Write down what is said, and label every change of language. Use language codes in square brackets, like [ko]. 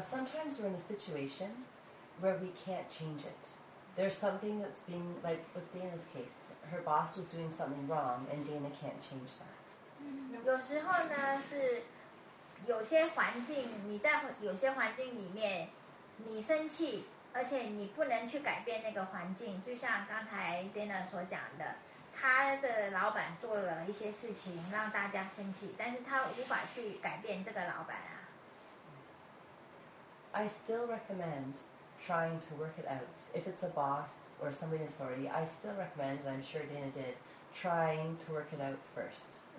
[en] sometimes we're in a situation where we can't change it. There's something that's being, like with Dana's case, her boss was doing something wrong and Dana can't change that. [zh] 有时候呢，是有些环境，你在有些环境里面，你生气，而且你不能去改变那个环境，就像刚才Dana所讲的，他的老板做了一些事情让大家生气，但是他无法去改变这个老板啊。 [en] I still recommend trying to work it out. If it's a boss or somebody in authority, I still recommend, and I'm sure Dana did, trying to work it out first.